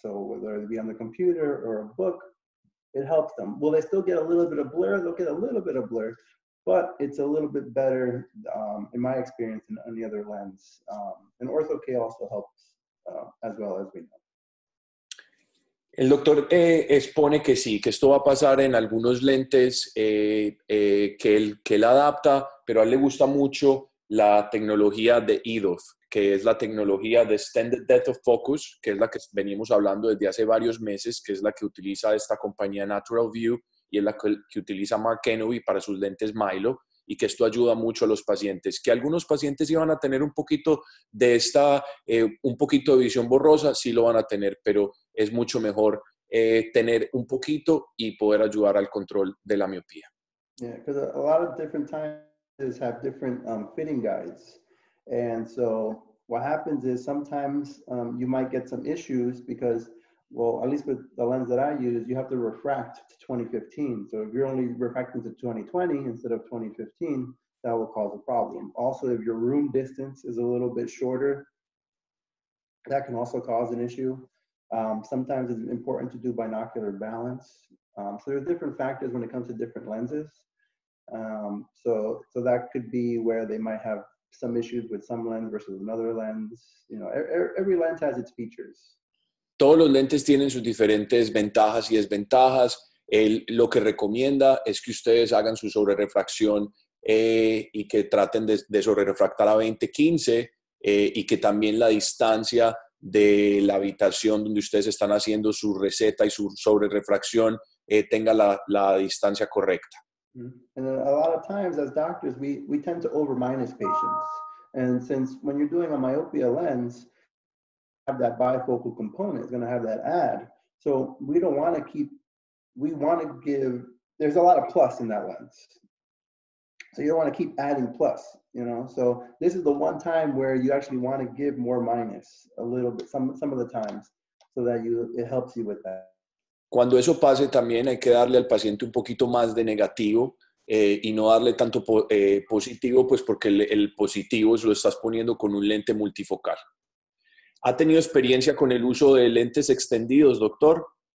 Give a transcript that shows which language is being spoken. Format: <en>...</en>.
<en>So whether it be on the computer or a book, it helps them. Will they still get a little bit of blur? They'll get a little bit of blur, but it's a little bit better in my experience than any other lens. And Ortho-K also helps as well, as we know.</en> <es>El doctor expone que sí, que esto va a pasar en algunos lentes que él adapta, pero a él le gusta mucho la tecnología de EDOF, que es la tecnología de Extended Depth of Focus, que es la que venimos hablando desde hace varios meses, que es la que utiliza esta compañía Natural View y es la que utiliza Mark Enovi para sus lentes Mylo, y que esto ayuda mucho a los pacientes. Que algunos pacientes iban a tener un poquito de esta, un poquito de visión borrosa, sí lo van a tener, pero es mucho mejor tener un poquito y poder ayudar al control de la miopía.</es> <en>Yeah, because a lot of different times have different fitting guides. And so what happens is sometimes you might get some issues because, well, at least with the lens that I use, you have to refract to 2015. So if you're only refracting to 2020 instead of 2015, that will cause a problem. Also, if your room distance is a little bit shorter, that can also cause an issue. Sometimes it's important to do binocular balance. So there are different factors when it comes to different lenses. So that could be where they might have some issues with some lens versus another lens. You know, every lens has its features.</en> <es>Todos los lentes tienen sus diferentes ventajas y desventajas. Él lo que recomienda es que ustedes hagan su sobrerefracción y que traten de sobrerefractar a 20-15 y que también la distancia de la habitación donde ustedes están haciendo su receta y su sobrerefracción tenga la distancia correcta.</es> <en>And a lot of times as doctors, we tend to over minus patients. And since when you're doing a myopia lens, have that bifocal component, it's going to have that add. So we don't want to keep, we want to give, there's a lot of plus in that lens. So you don't want to keep adding plus, you know? So this is the one time where you actually want to give more minus a little bit, some of the times, so that it helps you with that.</en> <es>Cuando eso pase también hay que darle al paciente un poquito más de negativo y no darle tanto positivo, pues porque el positivo lo estás poniendo con un lente multifocal. ¿Ha tenido experiencia con el uso de lentes extendidos, doctor?</es>